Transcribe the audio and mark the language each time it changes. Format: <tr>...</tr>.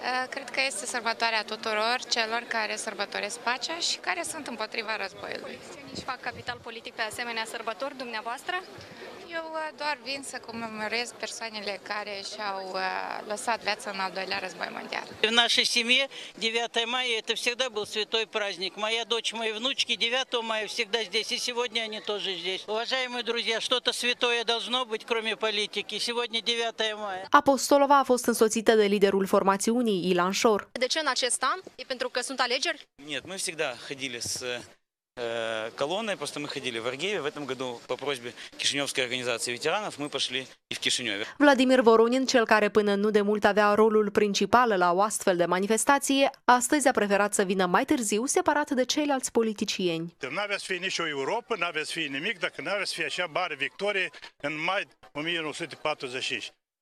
<ro>Cred că este sărbătoarea tuturor celor care sărbătoresc pacea și care sunt împotriva războiului. Și fac capital politic pe asemenea sărbători, dumneavoastră? Eu doar vin să comemorez persoanele care și-au lăsat viața în al doilea război mondial.</ro> <ru>В нашей семье 9 мая это всегда был святой праздник. Моя дочь, мои внучки 9 мая всегда здесь, и сегодня они тоже здесь. Уважаемые друзья, что-то святое должно быть, кроме политики. Сегодня 9 мая.</ru> <ro>Apostolova a fost însoțită de liderul formațiunii Ilan Șor. De ce în acest an? E pentru că sunt alegeri?</ro> <ru>Нет, мы всегда ходили с колонной, просто мы ходили в Аргееве. В этом году по просьбе Кишиневской организации ветеранов мы пошли и в Кишиневе.</ru> <ro>Владимир Воронин, cel care până nu de mult avea rolul principal la o astfel de manifestație, astăzi a preferat să vină mai târziu, separat de ceilalți politicieni. N-aveți fi nicio Europa, n-aveți fi nimic, dacă n-aveți fi așa mare victorie în mai 1945.</ro>